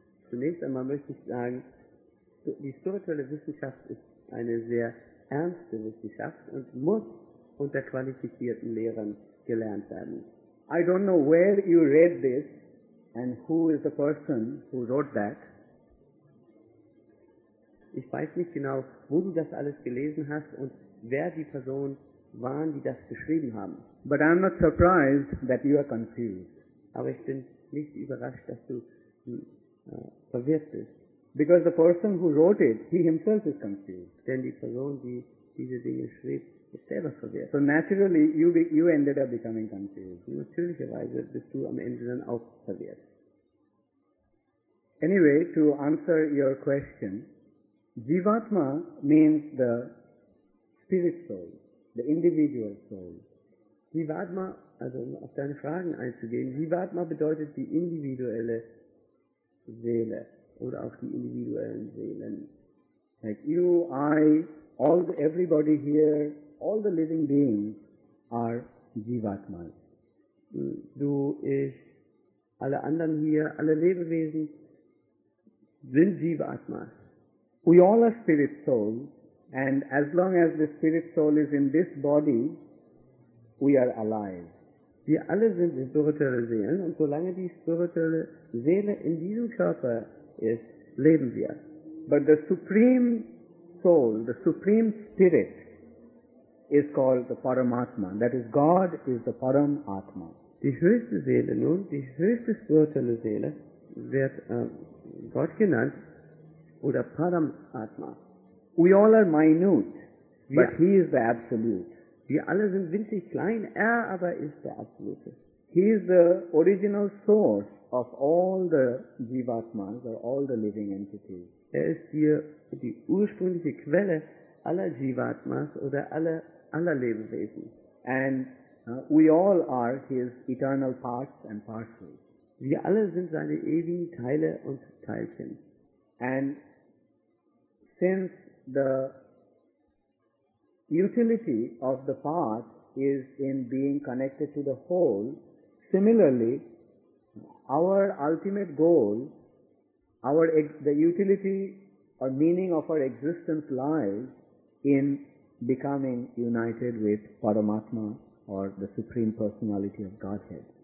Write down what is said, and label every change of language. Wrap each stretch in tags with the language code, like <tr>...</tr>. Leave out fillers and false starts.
<de>Zunächst einmal möchte ich sagen, die spirituelle Wissenschaft ist eine sehr ernste Wissenschaft und muss unter qualifizierten Lehrern gelernt werden.</de> <en>I don't know where you read this and who is the person who wrote that.</en> <de>Ich weiß nicht genau, wo du das alles gelesen hast und wer die Person waren, die das geschrieben haben.</de> <en>But I'm not surprised that you are confused.</en> <de>Aber ich bin nicht überrascht, dass du verwirrt bist.</de> <en>Because the person who wrote it, he himself is confused.</en> <de>Denn die Person, die diese Dinge schrieb, ist selber verwirrt.</de> <en>So naturally you ended up becoming confused.</en> <de>Natürlicherweise bist du am Ende dann auch verwirrt.</de> <en>Anyway, to answer your question, Jivatma means the spirit soul, the individual soul.</en> <de>Jivatma, also um auf deine Fragen einzugehen, Jivatma bedeutet die individuelle Seele oder auch die individuellen Seelen.</de> <en>Like you, I, all the, everybody here, all the living beings are Jivatmas.</en> <de>Du, ich, alle anderen hier, alle Lebewesen sind Jivatmas.</de> <en>We all are spirit souls, and as long as the spirit soul is in this body, we are alive.</en> <de>Wir alle sind spirituelle Seelen, und solange die spirituelle Seele in diesem Körper ist, leben wir.</de> <en>But the supreme soul, the supreme spirit, is called the Paramatma. That is, God is the Paramatma.</en> <de>Die höchste Seele nun, die höchste spirituelle Seele, wird Gott genannt. Oder Paramatma.</de> <en>We all are minute, but he is the absolute.</en> <de>Wir alle sind winzig klein, aber ist der Absolute.</de> <en>He is the original source of all the Jivatmas, or all the living entities.</en> <de>Er ist hier die ursprüngliche Quelle aller Jivatmas oder aller Lebewesen.</de> <en>And we all are his eternal parts and parcels.</en> <de>Wir alle sind seine ewigen Teile und Teilchen.</de> <en>And since the utility of the part is in being connected to the whole, similarly, our ultimate goal, the utility or meaning of our existence lies in becoming united with Paramatma or the Supreme Personality of Godhead.</en>